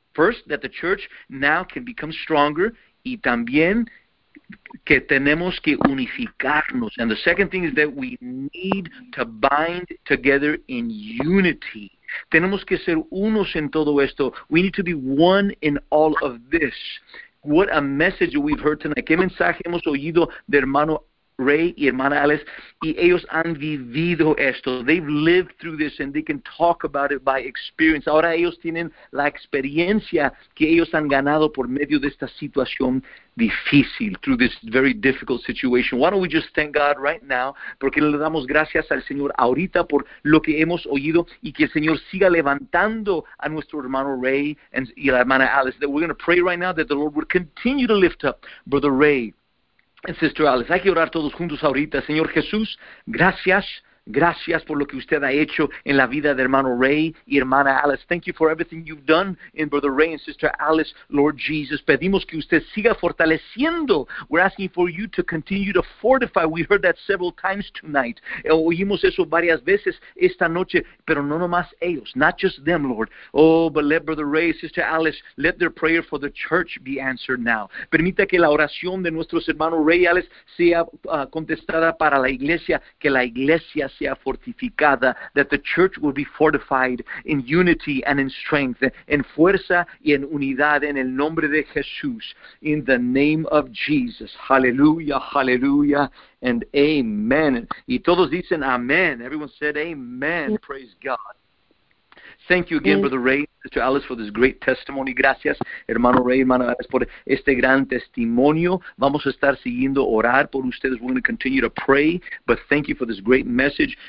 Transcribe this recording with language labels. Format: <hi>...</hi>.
<en>First, that the church now can become stronger.</en> <es>Y también que tenemos que unificarnos.</es> <en>And the second thing is that we need to bind together in unity.</en> <es>Tenemos que ser unos en todo esto.</es> <en>We need to be one in all of this. What a message we've heard tonight.</en> <es>¿Qué mensaje hemos oído de hermano Ray y hermana Alice, y ellos han vivido esto.</es> <en>They've lived through this and they can talk about it by experience.</en> <es>Ahora ellos tienen la experiencia que ellos han ganado por medio de esta situación difícil,</es> <en>through this very difficult situation. Why don't we just thank God right now?</en> <es>Porque le damos gracias al Señor ahorita por lo que hemos oído y que el Señor siga levantando a nuestro hermano Ray y la hermana Alice.</es> <en>That we're going to pray right now that the Lord would continue to lift up Brother Ray. And Sister Alice,</en> <es>hay que orar todos juntos ahorita. Señor Jesús, gracias, gracias por lo que usted ha hecho en la vida de hermano Ray y hermana Alice.</es> <en>Thank you for everything you've done in Brother Ray and Sister Alice, Lord Jesus.</en> <es>Pedimos que usted siga fortaleciendo.</es> <en>We're asking for you to continue to fortify. We heard that several times tonight.</en> <es>Oímos eso varias veces esta noche, pero no nomás ellos,</es> <en>not just them, Lord. Oh, but let Brother Ray, Sister Alice, let their prayer for the church be answered now.</en> <es>Permita que la oración de nuestros hermanos Ray y Alice sea contestada para la iglesia, que la iglesia sea fortificada,</es> <en>that the church will be fortified in unity and in strength,</en> <es>en fuerza y en unidad, en el nombre de Jesús,</es> <en>in the name of Jesus. Hallelujah, hallelujah, and amen.</en> <es>Y todos dicen amen.</es> <en>Everyone said amen. Yes. Praise God. Thank you again, yes. Brother Ray, Sister Alice, for this great testimony.</en> <es>Gracias, hermano Ray, hermana Alice, por este gran testimonio. Vamos a estar siguiendo orar por ustedes.</es> <en>We're going to continue to pray, but thank you for this great message.</en>